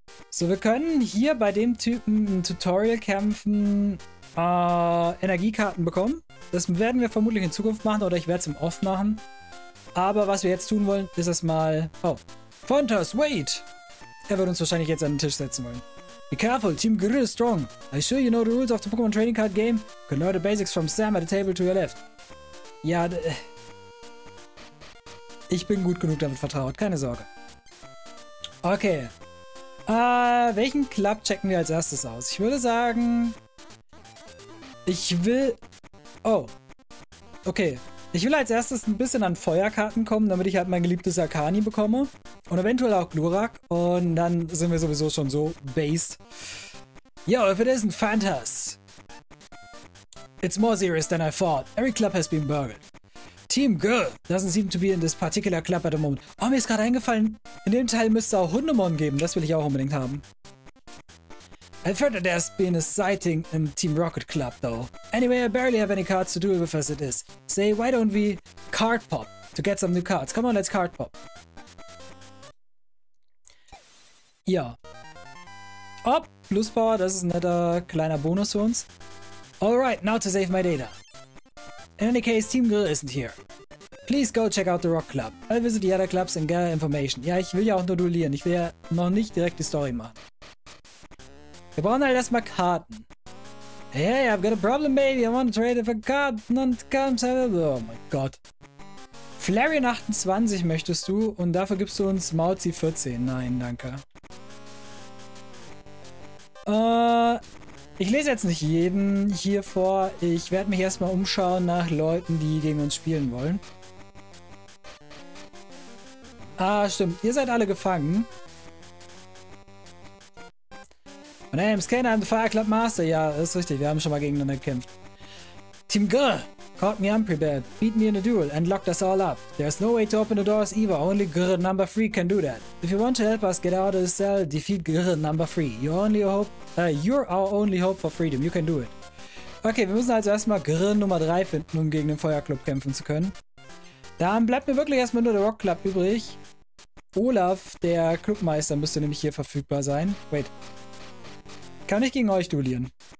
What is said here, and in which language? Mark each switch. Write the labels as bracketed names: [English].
[German] So, wir können hier bei dem Typen ein Tutorial kämpfen, Energiekarten bekommen. Das werden wir vermutlich in Zukunft machen oder ich werde es im Off machen. Aber was wir jetzt tun wollen, ist erstmal... Oh. Fantas, [English] wait! [German] Er wird uns wahrscheinlich jetzt an den Tisch setzen wollen. [English] Be careful, Team Grrr is strong. I sure you know the rules of the Pokémon Trading Card Game. You can learn the basics from Sam at the table to your left. [German] Ja, ich bin gut genug damit vertraut, keine Sorge. Okay. Welchen Club checken wir als erstes aus? Ich würde sagen... Ich will... Oh. Okay. Ich will als erstes ein bisschen an Feuerkarten kommen, damit ich halt mein geliebtes Arcani bekomme. Und eventuell auch Glurak. Und dann sind wir sowieso schon so based. [English] Yo, if it isn't Fantas. It's more serious than I thought. Every club has been burgled. Team Girl doesn't seem to be in this particular club at the moment. [German] Oh, mir ist gerade eingefallen, in dem Teil müsste es auch Hundemon geben. Das will ich auch unbedingt haben. [English] I've heard that there's been a sighting in Team Rocket Club, though. Anyway, I barely have any cards to deal with as it is. Say, why don't we card pop to get some new cards? Come on, let's card pop. [German] Ja. Oh, Plus Power, das ist ein netter kleiner Bonus für uns. [English] Alright, now to save my data. In any case, Team Grill isn't here. Please go check out the Rock Club. I'll visit the other clubs and gather information. [German] Ja, ich will ja auch nur duellieren. Ich will ja noch nicht direkt die Story machen. Wir brauchen halt erstmal Karten. [English] Hey, I've got a problem, baby. I want to trade for Karten and comes. [German] Oh mein Gott. Flareon 28 möchtest du und dafür gibst du uns Mauzi 14. Nein, danke. Ich lese jetzt nicht jeden hier vor. Ich werde mich erstmal umschauen nach Leuten, die gegen uns spielen wollen. Ah, stimmt. Ihr seid alle gefangen. [English] My name is Kane, I'm the Fire Club Master. [German] Ja, ist richtig. Wir haben schon mal gegeneinander gekämpft. [English] Team Grrr, Caught me unprepared, beat me in a duel, and locked us all up. There's no way to open the doors either, only Grr number 3 can do that. If you want to help us get out of the cell, defeat Grr number 3. You're our only hope for freedom, you can do it. [German] Okay, wir müssen also erstmal Grr Nummer 3 finden, um gegen den Feuerclub kämpfen zu können. Dann bleibt mir wirklich erstmal nur der Rock Club übrig. Olaf, der Clubmeister, müsste nämlich hier verfügbar sein. [English] Wait. [German] Kann ich gegen euch duellieren?